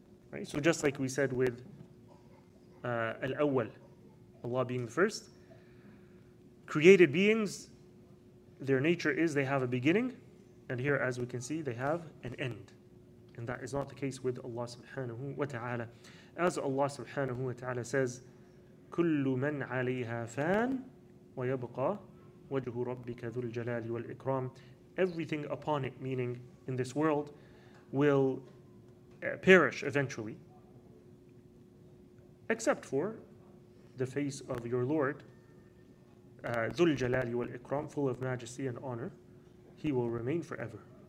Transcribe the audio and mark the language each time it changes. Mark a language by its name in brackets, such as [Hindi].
[English] Right? So just like we said with Al-Awwal, Allah being the first, created beings, their nature is they have a beginning, and here, as we can see, they have an end. And that is not the case with Allah subhanahu wa ta'ala. [Arabic] As Allah subhanahu wa ta'ala says, كُلُّ مَنْ عَلَيْهَا فَانْ وَيَبْقَى وَجْهُ رَبِّكَ ذُو الْجَلَالِ وَالْإِكْرَامِ. [English] Everything upon it, meaning in this world, will perish eventually, except for the face of your Lord, [Arabic] ذُو الْجَلَالِ وَالْإِكْرَامِ, [English] full of majesty and honor. He will remain forever.